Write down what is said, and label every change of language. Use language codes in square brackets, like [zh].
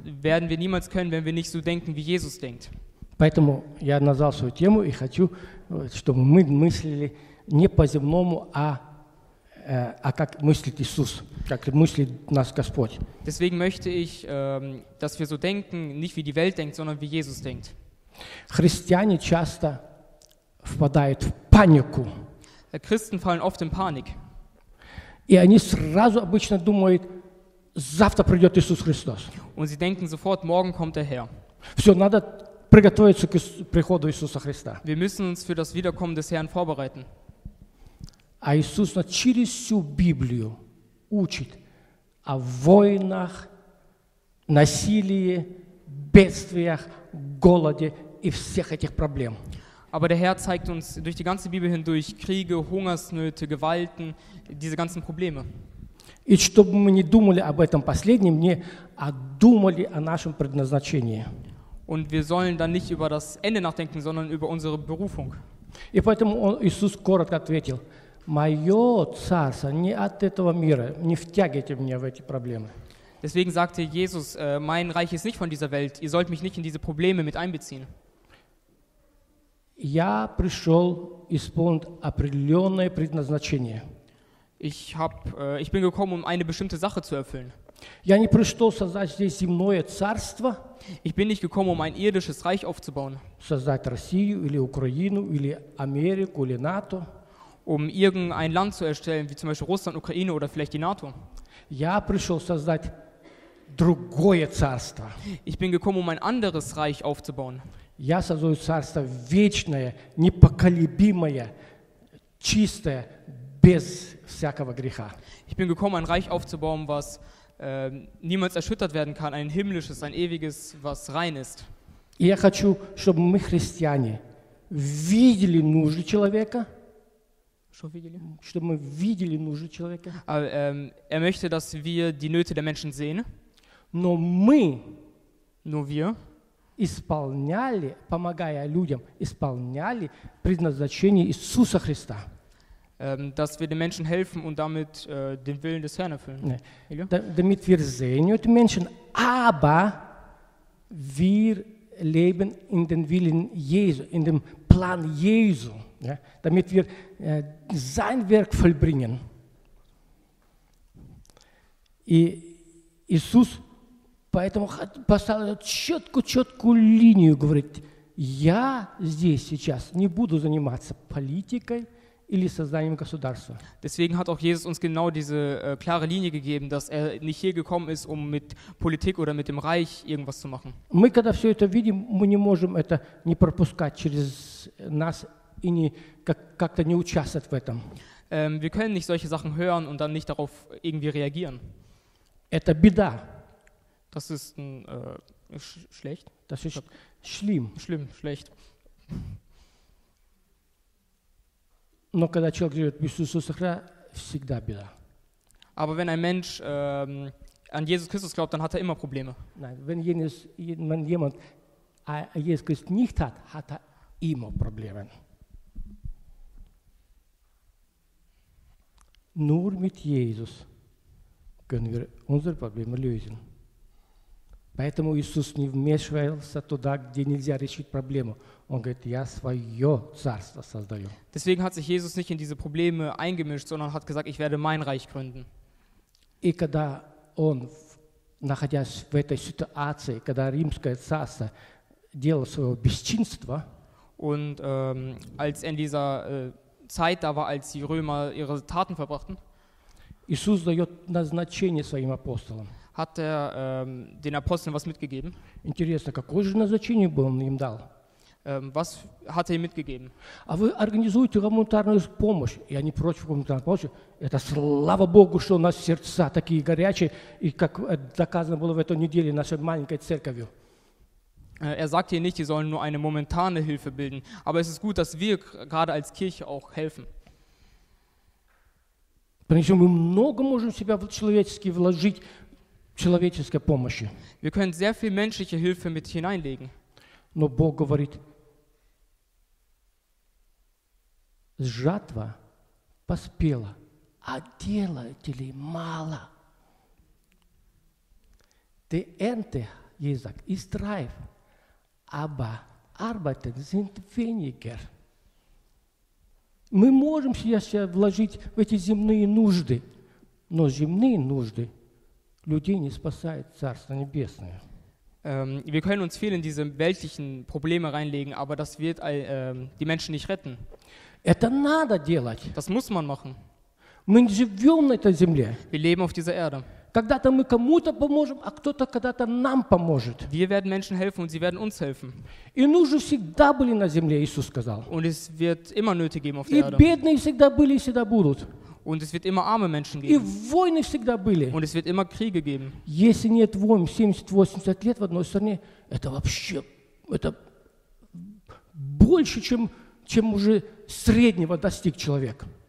[de] Werden wir niemals können, wenn wir nicht so denken, wie Jesus denkt. [ru] Поэтому я назвал свою тему и хочу, чтобы мы мыслили не по земному, а как мыслит Иисус, как мыслит нас Господь. [de] Deswegen möchte ich, dass wir so denken, nicht wie die Welt denkt, sondern wie Jesus denkt. [ru] Христиане часто впадают в панику. [de] Christen fallen oft in Panik. [ru] И они сразу обычно думают, завтра придет Иисус Христос. [de] Und sie denken sofort, morgen kommt er her. [ru] Все, надо приготовиться к приходу Иисуса Христа. [de] Wir müssen uns für das Wiederkommen des Herrn vorbereiten. [ru] А Иисус через всю Библию учит о войнах, насилии, бедствиях, голоде и всех этих проблем. [de] Aber der Herr zeigt uns durch die ganze Bibel hindurch Kriege, Hungersnöte, Gewalten, diese ganzen Probleme. [ru] И чтобы мы не думали об этом последнем, не а думали о нашем предназначении. [de] Und wir sollen dann nicht über das Ende nachdenken, sondern über unsere Berufung. [ru] И поэтому Иисус коротко ответил: «Мое царство не от этого мира, не втягивайте меня в эти проблемы». [de] Deswegen sagte Jesus: «Mein Reich ist nicht von dieser Welt. Ihr sollt mich nicht in diese Probleme mit einbeziehen». [ru] Я пришел исполнить определенное предназначение. [de] Ich bin gekommen, um eine bestimmte Sache zu erfüllen. [ru] Я не пришел создать здесь земное царство. [de] Ich bin nicht gekommen, um ein irdisches Reich aufzubauen. [ru] Создать Россию или Украину или Америку или НАТО. [de] Um irgendein Land zu erstellen, wie zum Beispiel Russland, Ukraine oder vielleicht die NATO. [ru] Я пришел создать другое царство. [de] Ich bin gekommen, um ein anderes Reich aufzubauen. [ru] Я создаю царство вечное, непоколебимое, чистое, без всякого греха. [de] Ich bin gekommen, ein Reich aufzubauen, was niemals erschüttert werden kann, ein himmlisches, ein ewiges, was rein ist. [ru] И я хочу, чтобы мы, христиане, видели нужды человека. Что видели? Чтобы мы видели нужды человека. [de] Er möchte, dass wir die Nöte der Menschen sehen. [ru] Но мы, [de] nur wir, [ru] исполняли, помогая людям, исполняли предназначение Иисуса Христа. [de] Dass wir den Menschen helfen und damit den Willen des Herrn erfüllen. Nee. Damit wir sehen die Menschen, aber wir leben in den Willen Jesu, in dem Plan Jesu, ja? Damit wir sein Werk vollbringen. [ru] Иисус поэтому поставил четкую линию, говорит, я здесь сейчас не буду заниматься политикой или созданием государства. [de] Deswegen hat auch Jesus uns genau diese klare Linie gegeben, dass er nicht hier gekommen ist, um mit Politik oder mit dem Reich irgendwas zu machen. [ru] Мы, когда все это видим, мы не можем это не пропускать через нас и не как-то не участвовать в этом. [de] Wir können nicht solche Sachen hören und dann nicht darauf irgendwie reagieren. [ru] Это беда. [de] Das ist schlecht. Das ist schlimm. Schlimm, schlecht. [ru] Но когда человек живет в Иисусе Христе, всегда беда. [de] Aber wenn ein Mensch an Jesus Christus glaubt, dann hat er immer Probleme. Nein, wenn jemand Jesus Christus nicht hat, hat er immer Probleme. Nur mit Jesus können wir unsere Probleme lösen. [ru] Поэтому Иисус не вмешивался туда, где нельзя решить проблему. Он говорит: я свое царство создаю. [de] Deswegen hat sich Jesus nicht in diese Probleme eingemischt, sondern hat gesagt: ich werde mein Reich gründen. [ru] И когда он, находясь в этой ситуации, когда римское царство делало свое бесчинство, [de] und als in dieser Zeit da war, als die Römer ihre Taten verbrachten, [ru] Иисус дает назначение своим апостолам. [de] Hat er den Aposteln was mitgegeben? [ru] Интересно, какое же назначение было он им дал? [de] Was hat er ihm mitgegeben? [ru] А вы организуете гуманитарную помощь, и они против гуманитарной помощи. Это слава Богу, что у нас сердца такие горячие, и как доказано было в эту неделю нашей маленькой церковью. [de] Er sagt hier nicht, die sollen nur eine momentane Hilfe bilden, aber es ist gut, dass wir gerade als Kirche auch helfen. [ru] Причем мы много можем себя человечески вложить. Человеческой помощи. [de] Wir können sehr viel menschliche Hilfe mit hineinlegen. [ru] Но Бог говорит, жатва поспела, а делателей мало. [de] Die Ernte, Jesus, ist reif, aber Arbeiter sind weniger. [ru] Мы можем себя вложить в эти земные нужды, но земные нужды людей не спасает Царство Небесное. [de] Wir können uns viel in diese weltlichen Probleme reinlegen, aber das wird die Menschen nicht retten. [ru] Это надо делать. [de] Das muss man machen. [ru] Мы живем на этой земле. [de] Wir leben auf dieser Erde. [ru] Когда-то мы кому-то поможем, а кто-то когда-то нам поможет. [de] Wir werden Menschen helfen und sie werden uns helfen. [ru] И нужды всегда были на земле, Иисус сказал. [de] Und es wird immer Nöte geben auf der Erde. [ru] И бедные всегда были и всегда будут. [de] Und es wird immer arme Menschen geben. Und es wird immer Kriege geben. [ru] Если нет войн 70-80 лет в одной стране, это вообще это больше, чем уже среднего достиг человек.